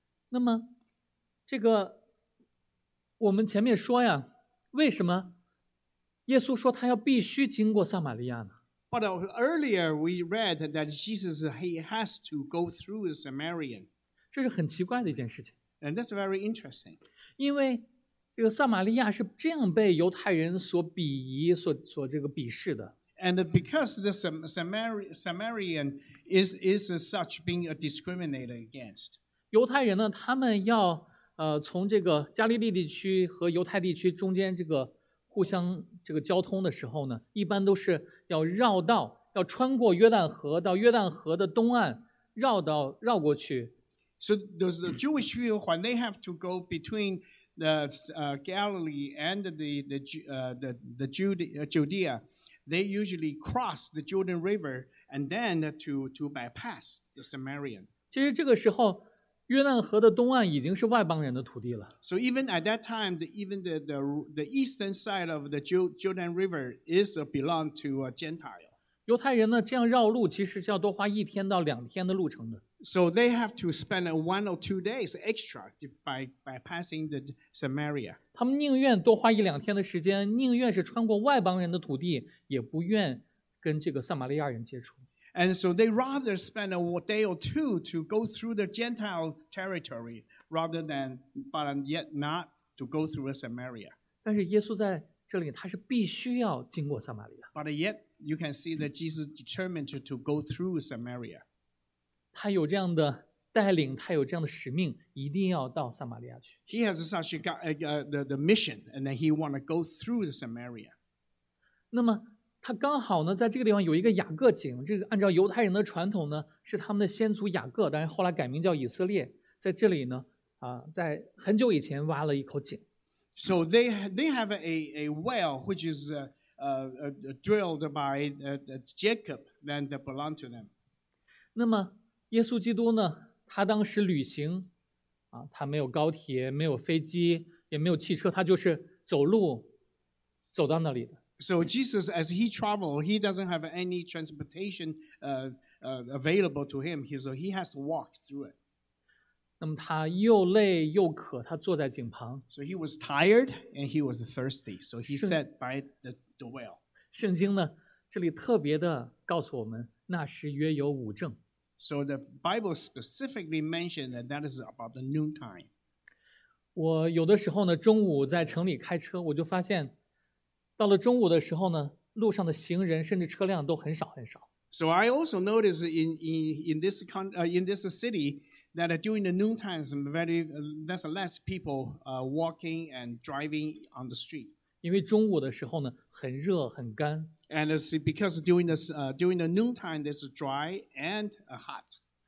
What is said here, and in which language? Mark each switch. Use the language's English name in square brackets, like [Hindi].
[Chinese] 那么，这个我们前面说呀，为什么耶稣说他要必须经过撒玛利亚呢 [English] ？But earlier we read that Jesus he has to go through the Samaritan. [Chinese] 这是很奇怪的一件事情。 [English] And that's very interesting. [Chinese] 因为这个撒玛利亚是这样被犹太人所鄙夷 所这个鄙视的。 [English] And because the Samaritan is such being discriminated against. [Chinese] 犹太人呢他们要从这个加利利地区和犹太地区中间这个互相这个交通的时候呢一般都是要绕道要穿过约旦河到约旦河的东岸绕道绕过去。 [English] So the Jewish people, when they have to go between the Galilee and the Judea, they usually cross the Jordan River and then to bypass the Samaritan. [Chinese] 其实这个时候，约旦河的东岸已经是外邦人的土地了。 [English] So even at that time, the eastern side of the Jordan River is belong to a Gentile. [Chinese] 犹太人呢，这样绕路其实是要多花一天到两天的路程的。 [English] So they have to spend one or two days extra by bypassing the Samaria. [Chinese] 他们宁愿多花一两天的时间，宁愿是穿过外邦人的土地，也不愿跟这个撒玛利亚人接触。 [English] And so they rather spend a day or two to go through the Gentile territory rather than, but yet not to go through the Samaria. [Chinese] 但是耶稣在这里，他是必须要经过撒玛利亚。 [English] But yet you can see that Jesus determined to go through Samaria. [Chinese] 他有这样的带领，他有这样的使命，一定要到撒玛利亚去。 [English] He has such a the mission, and then he want to go through the Samaria. [Chinese] 那么他刚好呢，在这个地方有一个雅各井。这个按照犹太人的传统呢，是他们的先祖雅各，但是后来改名叫以色列。在这里呢，在很久以前挖了一口井。 [English] So they have a well which is drilled by Jacob and belong to them. [Chinese] 那么。耶稣基督呢他当时旅行、他没有高铁没有飞机也没有汽车他就是走路走到那里的。 [English] So Jesus, as he traveled, he doesn't have any transportation available to him, so he has to walk through it. [Chinese] 那么他又累又渴他坐在井旁。 [English] So he was tired and he was thirsty, so he sat by the well. [Chinese] 圣经呢这里特别的告诉我们那时约有午正。 [English] So the Bible specifically mentioned that is about the noontime. [Chinese] 我有的时候呢，中午在城里开车，我就发现，到了中午的时候呢，路上的行人甚至车辆都很少很少。 [English] So I also noticed in this city that during the noontime, there's less people walking and driving on the street. [Chinese] 因为中午的时候呢，很热很干。 [English] And because during the noontime, it's dry and hot.